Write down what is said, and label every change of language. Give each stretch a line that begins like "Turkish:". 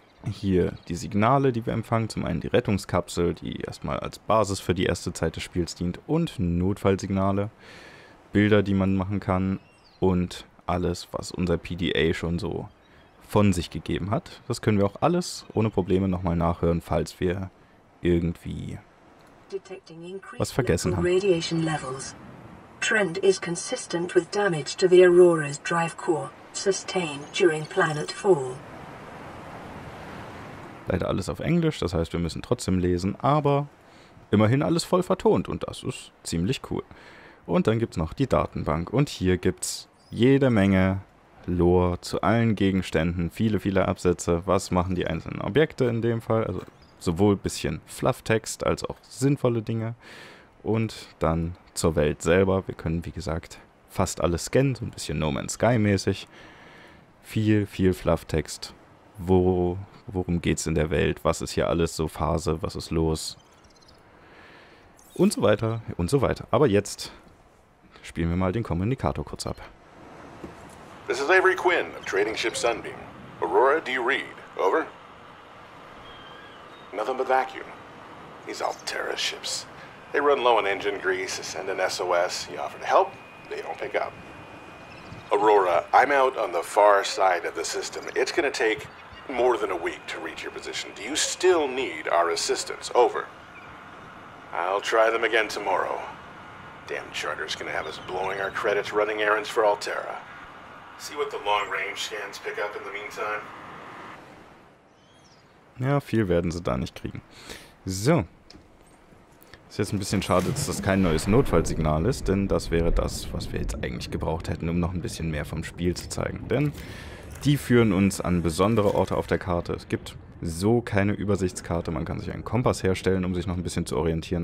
German: Hier die Signale, die wir empfangen, zum einen die Rettungskapsel, die erstmal als Basis für die erste Zeit des Spiels dient, und Notfallsignale, Bilder, die man machen kann, und alles, was unser PDA schon so von sich gegeben hat. Das können wir auch alles ohne Probleme nochmal nachhören, falls wir irgendwie was vergessen haben.
English: Radiation levels. Trend is consistent with damage to the Aurora's drive core, sustained during planet fall.
German: Leider alles auf Englisch, das heißt, wir müssen trotzdem lesen, aber immerhin alles voll vertont und das ist ziemlich cool. Und dann gibt's noch die Datenbank und hier gibt's jede Menge Lore zu allen Gegenständen, viele, viele Absätze. Was machen die einzelnen Objekte in dem Fall? Also sowohl ein bisschen Flufftext als auch sinnvolle Dinge. Und dann zur Welt selber. Wir können, wie gesagt, fast alles scannen, so ein bisschen No Man's Sky mäßig. Viel, viel Flufftext. Worum geht's in der Welt? Was ist hier alles so Phase? Was ist los? Und so weiter und so weiter. Aber jetzt spielen wir mal den Kommunikator kurz ab.
English: This is Avery Quinn of Trading Ship Sunbeam. Aurora, do you read? Over. Nothing but vacuum. These Altera ships. They run low on engine grease, send an SOS. You offer to help, they don't pick up. Aurora, I'm out on the far side of the system. It's gonna take more than a week to reach your position. Do you still need our assistance? Over. I'll try them again tomorrow. Damn charter's gonna have us blowing our credits running errands for Altera. See what the long-range scans pick up in the meantime.
German: Ja, viel werden sie da nicht kriegen. So. Ist jetzt ein bisschen schade, dass das kein neues Notfallsignal ist, denn das wäre das, was wir jetzt eigentlich gebraucht hätten, um noch ein bisschen mehr vom Spiel zu zeigen. Denn die führen uns an besondere Orte auf der Karte. Es gibt so keine Übersichtskarte. Man kann sich einen Kompass herstellen, um sich noch ein bisschen zu orientieren.